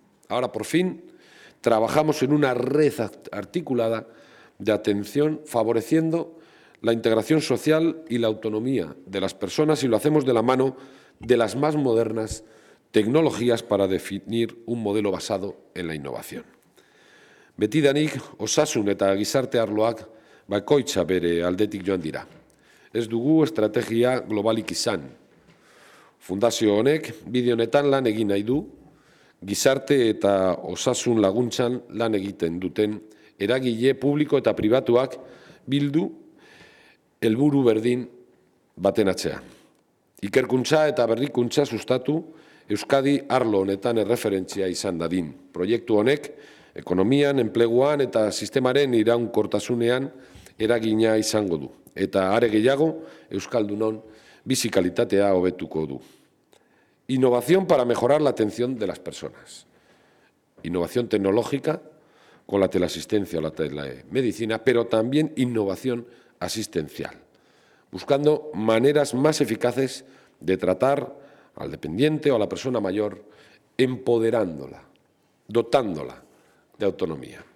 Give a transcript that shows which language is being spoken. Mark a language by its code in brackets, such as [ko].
[es] Ahora, por fin, trabajamos en una red articulada de atención, favoreciendo la integración social y la autonomía de las personas, y lo hacemos de la mano de las más modernas tecnologías para definir un modelo basado en la innovación. [eu] Betidanik osasun eta gizarte arloak bakoitza bere aldetik joan dira. Ez dugu estrategia globalik izan. Fundazio honek bide honetan lan egin nahi du, gizarte eta osasun laguntzan lan egiten duten eragile publiko eta pribatuak bildu helburu berdin baten atzean. Ikerkuntza eta berrikuntza sustatu Euskadi arlo honetan erreferentzia izan dadin. Proiektu honek ekonomian, enpleguan eta sistemaren iraunkortasunean eragina izango du. Eta are gehiago, euskaldunon bizi kalitatea hobetuko du. [es] Innovación para mejorar la atención de las personas. Innovación tecnológica con la teleasistencia o la telemedicina, pero también innovación asistencial, buscando maneras más eficaces de tratar al dependiente o a la persona mayor, empoderándola, dotándola de autonomía.